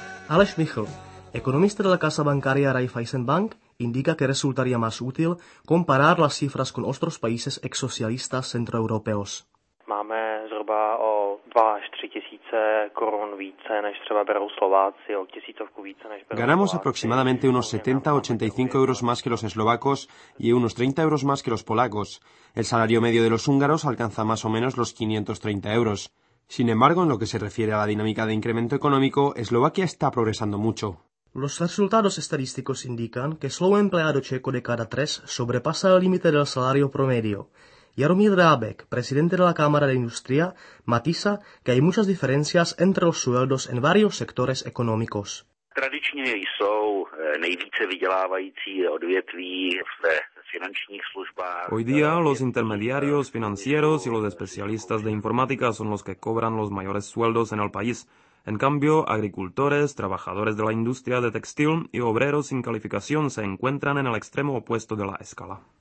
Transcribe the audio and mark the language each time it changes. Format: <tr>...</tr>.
<es>Aleš Michl, economista de la casa bancaria Raiffeisen Bank, indica que resultaría más útil comparar las cifras con otros países exsocialistas centroeuropeos.</es> <cs>Máme zhruba o 2 až 3 tisíce korun více než třeba berou Slováci, o tisícovku více než berou.</cs> <es>Ganamos aproximadamente unos 70-85 euros más que los eslovacos y unos 30 euros más que los polacos. El salario medio de los húngaros alcanza más o menos los 530 euros. Sin embargo, en lo que se refiere a la dinámica de incremento económico, Eslovaquia está progresando mucho. Los resultados estadísticos indican que solo un empleado checo de cada tres sobrepasa el límite del salario promedio. Jaromír Drábek, presidente de la Cámara de Industria, matiza que hay muchas diferencias entre los sueldos en varios sectores económicos.</es> <cs>Tradičně jsou nejvíce vydělávající odvětví ve finančních službách.</cs> <es>Hoy día los intermediarios financieros y los especialistas de informática son los que cobran los mayores sueldos en el país. En cambio, agricultores, trabajadores de la industria de textil y obreros sin calificación se encuentran en el extremo opuesto de la escala.</es>